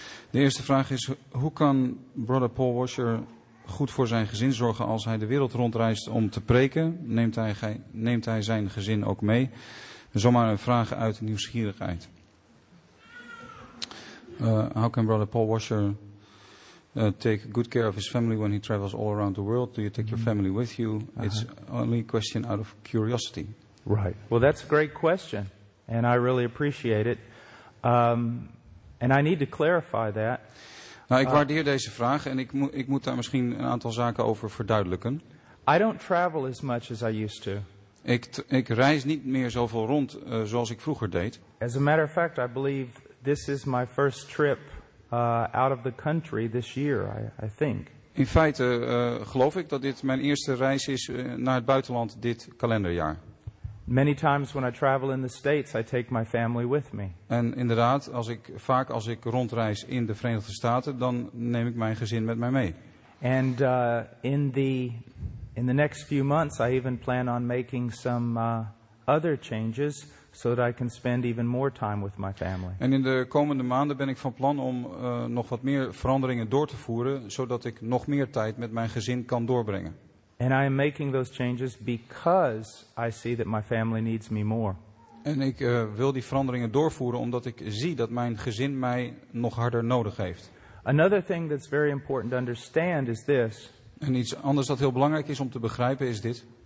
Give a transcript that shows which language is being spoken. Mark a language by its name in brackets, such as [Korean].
[Dutch] De eerste vraag is, hoe kan Brother Paul Washer goed voor zijn gezin zorgen als hij de wereld rondreist om te preken? Neemt hij zijn gezin ook mee? Zomaar een vraag uit nieuwsgierigheid. [English] How can Brother Paul Washer take good care of his family when he travels all around the world? Do you take your family with you? Uh-huh. It's only a question out of curiosity. Right. Well, that's a great question, and I really appreciate it. And I need to clarify that. [Dutch] Nou, ik waardeer deze vraag, en ik moet daar misschien een aantal zaken over verduidelijken. [English] I don't travel as much as I used to. [Dutch] Ik reis niet meer zoveel rond zoals ik vroeger deed. [English] As a matter of fact, I believe this is my first trip out of the country this year, I think. [Dutch] In feite geloof ik dat dit mijn eerste reis is naar het buitenland dit kalenderjaar. [English] Many times when I travel in the States, I take my family with me. [Dutch] En inderdaad, als ik rondreis in de Verenigde Staten, dan neem ik mijn gezin met mij mee. [English] And in the next few months, I even plan on making some other changes so that I can spend even more time with my family. [Dutch] En in de komende maanden ben ik van plan om nog wat meer veranderingen door te voeren, zodat ik nog meer tijd met mijn gezin kan doorbrengen. [English] And I am making those changes because I see that my family needs me more. [Dutch] En ik wil die veranderingen doorvoeren omdat ik zie dat mijn gezin mij nog harder nodig heeft. [English] Another thing that's very important to understand is this. [Dutch] En iets anders dat heel belangrijk is om te begrijpen is dit.